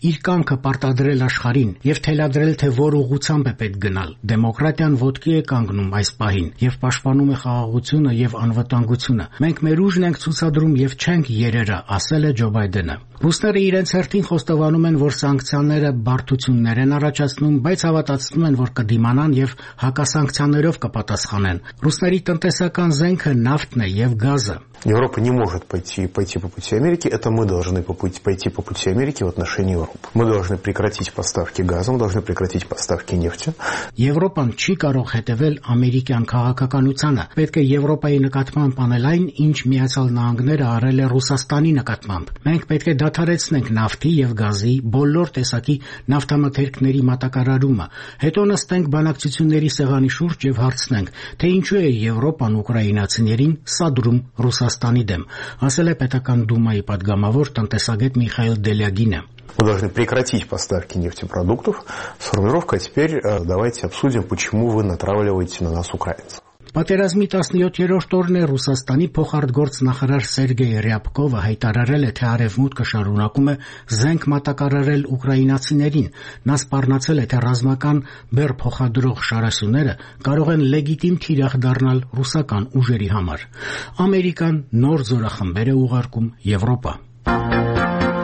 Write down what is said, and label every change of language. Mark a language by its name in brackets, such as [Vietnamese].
[Armenian] իր կանքը պարտադրել աշխարհին եւ թելադրել, թե որ ուղությամբ է պետք գնալ։ Դեմոկրատիան ոտքի է կանգնում այս պահին եւ պաշտպանում է խաղաղությունը եւ անվտանգությունը։ Մենք մեր ուժն ենք ցուցադրում եւ չենք երերը, ասել է Ջո Բայդենը։ Ռուսները իրենց հերթին խոստովանում են, որ սանկցիաները բարդություններ են առաջացնում, բայց հավատացնում են, որ կդիմանան եւ հակասանկցիաները հարցերով կպատասխանեն։ Ռուսների տնտեսական զենքը նավթն է եւ գազը։ [Russian] Европа не может пойти по пути Америки, это мы должны пойти по пути Америки в отношении Европы. Мы должны прекратить поставки газа, мы должны прекратить поставки нефти. [Armenian] Եվրոպան չի կարող հետևել ամերիկյան քաղաքականությանը։ Պետք է Եվրոպայի նկատմամբ անել այն, ինչ Միացյալ Նահանգները արել է Ռուսաստանի նկատմամբ։ Մենք պետք է դադարեցնենք նավթի եւ գազի բոլոր տեսակի նավթամթերքների մատակարարումը, հետո նստենք բանակցությունների սեղանի շուրջ եւ հարցնենք, թե ինչու է Եվրոպան ուկրաինացիներին սադրում Ռուսաստանի դեմ, ասել է պետական դումայի պատգամավոր տնտեսագետ Միխայել Դելյագինը։ [Russian] Мы должны прекратить поставки нефтепродуктов с формулировкой «Теперь давайте обсудим, почему вы натравливаете на нас украинцев». [Armenian] Պատերազմի 17-րդ օրն է Ռուսաստանի փոխարտգործ նախարար Սերգեյ Ռյապկովը հայտարարել է, թե Արևմուտքը շարունակում է զենք մատակարարել ուկրաինացիներին։ Նա սպառնացել է, թե ռազմական բեռ փոխադրող շարասյուները կարող են լեգիտիմ թիրախ դառնալ ռուսական ուժերի համար։ Ամերիկան նոր զորախմբեր է ուղարկում Եվրոպա։